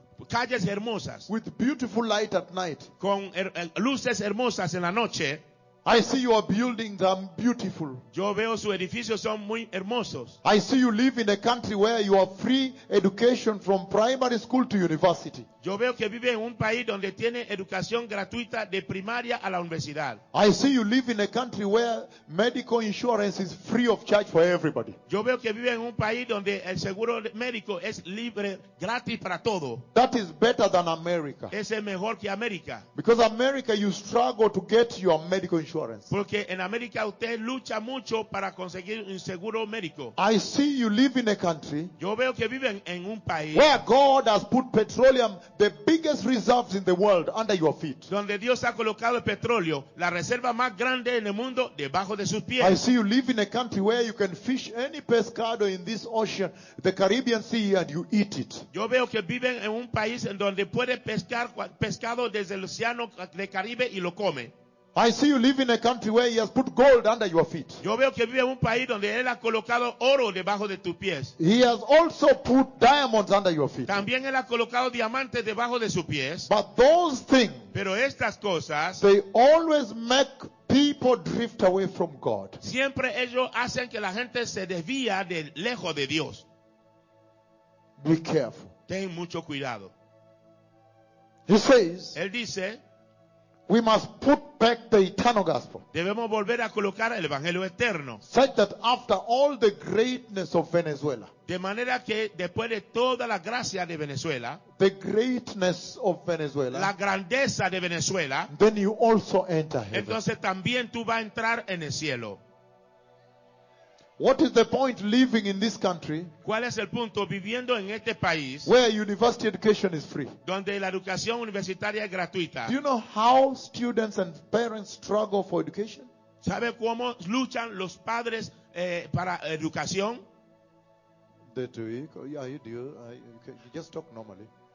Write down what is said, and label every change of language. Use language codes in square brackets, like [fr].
[es] calles hermosas. [en] With beautiful light at night. [es] Con luces hermosas en la noche. [en] I see you are building them beautiful. [es] Yo veo sus edificios son muy hermosos. [en] I see you live in a country where you have free education from primary school to university. [es] Yo veo que vive en un país donde tiene educación gratuita de primaria a la universidad. [en] I see you live in a country where medical insurance is free of charge for everybody. [es] Yo veo que vive en un país donde el seguro médico es libre, gratis para todo. [en] That is better than America. [es] Ese es mejor que América. [en] Because America, you struggle to get your medical insurance. [es] Porque en América usted lucha mucho para conseguir un seguro médico. [en] I see you live in a country. [es] Yo veo que vive en un país [en] where God has put petroleum, the biggest reserves in the world, under your feet. [es] Donde Dios ha colocado el petróleo, la reserva más grande en el mundo, debajo de sus pies. [en] I see you live in a country where you can fish any pescado in this ocean, the Caribbean Sea, and you eat it. [es] Yo veo que viven en un país en donde puede pescar pescado desde el océano de Caribe y lo come. [en] I see you live in a country where he has put gold under your feet. [es] Yo veo que vive en un país donde él ha colocado oro debajo de tus pies. [en] He has also put diamonds under your feet. [es] También él ha colocado diamantes debajo de sus pies. [en] But those things, [es] pero estas cosas, [en] they always make people drift away from God. [es] Siempre ellos hacen que la gente se desvía de lejos de Dios. [en] Be careful. [es] Ten mucho cuidado. [en] He says, [es] él dice, [en] we must put back the eternal gospel. [es] Debemos volver a colocar el evangelio eterno. [en] Such that after all the greatness of Venezuela. [es] De manera que después de toda la gracia de Venezuela. [en] The greatness of Venezuela. [es] La grandeza de Venezuela. [en] Then you also enter heaven. [es] Entonces también tú vas a entrar en el cielo. [en] What is the point living in this country? [es] ¿Cuál es el punto viviendo en este país? [en] Where university education is free. [es] Donde la educación universitaria es gratuita. [en] Do you know how students and parents struggle for education? [es] ¿Sabe cómo luchan los padres para educación? [en] The tuic, oh, yeah, you just talk normally.